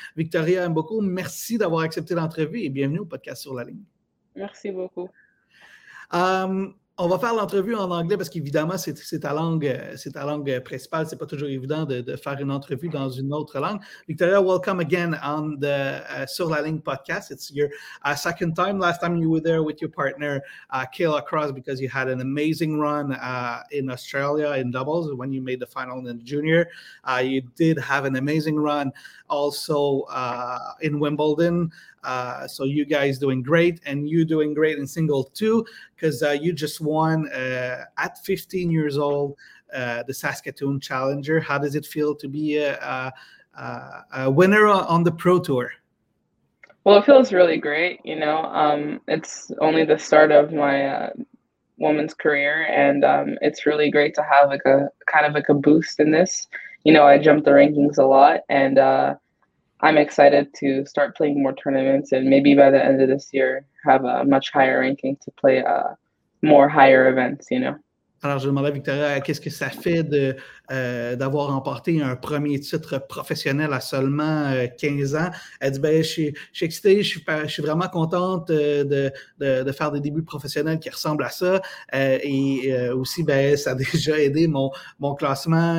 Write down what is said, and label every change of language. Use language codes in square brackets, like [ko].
[fr] Victoria Mbukou, merci d'avoir accepté l'entrevue et bienvenue au podcast sur la ligne. Merci beaucoup. On va faire l'entrevue en anglais parce qu'évidemment, c'est ta langue principale. C'est pas toujours évident de faire une entrevue dans une autre langue. [en] Victoria, welcome again on the Sur la Ligne podcast. It's your second time. Last time you were there with your partner, Kayla Cross, because you had an amazing run in Australia in doubles when you made the final in the junior. You did have an amazing run also in Wimbledon. So you guys doing great, and you doing great in single too, because you just won at 15 years old the Saskatoon Challenger. How does it feel to be a winner on the Pro Tour? Well, it feels really great. You know, it's only the start of my woman's career, and it's really great to have like a kind of like a boost in this. You know, I jumped the rankings a lot, and I'm excited to start playing more tournaments and maybe by the end of this year have a much higher ranking to play more higher events, you know. [fr] Alors, je demandais à Victoria, qu'est-ce que ça fait d'avoir remporté un premier titre professionnel à seulement 15 ans? Elle dit, ben, je suis excitée, je suis vraiment contente de faire des débuts professionnels qui ressemblent à ça. Et aussi, ben, ça a déjà aidé mon classement.